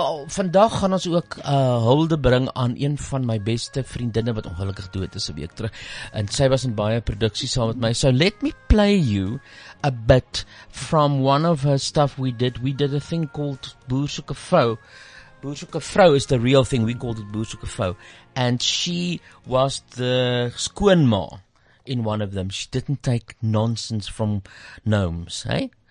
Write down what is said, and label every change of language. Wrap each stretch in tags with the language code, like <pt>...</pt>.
<af>vandag gaan ons ook hulde bring aan een van my beste vriendinne wat ongelukkig dood is 'n week terug. En sy was in baie produksie saam met my.</af> <en>So let me play you a bit from one of her stuff we did. We did a thing called Boerseke Vrou. Boerseke Vrou is the real thing. We called it Boerseke Vrou. And she was the skoonma in one of them. She didn't take nonsense from gnomes, hey?</en>